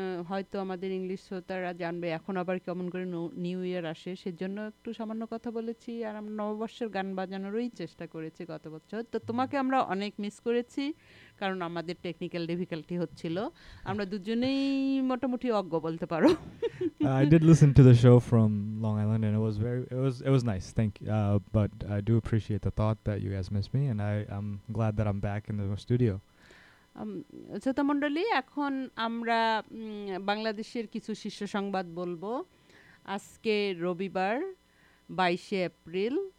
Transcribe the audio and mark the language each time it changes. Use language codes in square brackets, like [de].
[bn] হয়তো আমাদের ইংলিশ শ্রোতারা জানবে এখন আবার কেমন করে নিউ ইয়ার আসে, সেজন্য একটু সামান্য কথা বলেছি। আর আমরা নববর্ষের গান বাজানোরই চেষ্টা করেছি গত বছর। তো তোমাকে আমরা অনেক মিস করেছি, কারণ আমাদের টেকনিক্যাল ডিফিকাল্টি হচ্ছিল, আমরা দুজনেই মোটামুটি অজ্ঞ বলতে পারো। [en] I did listen to the show from Long Island and it was nice, thank you. But I do appreciate the thought that you guys missed me and I'm glad that I'm back in the studio. [bn] শ্রোতা মণ্ডলী, এখন আমরা বাংলাদেশের কিছু শীর্ষ সংবাদ বলবো। আজকে রবিবার 22শে এপ্রিল।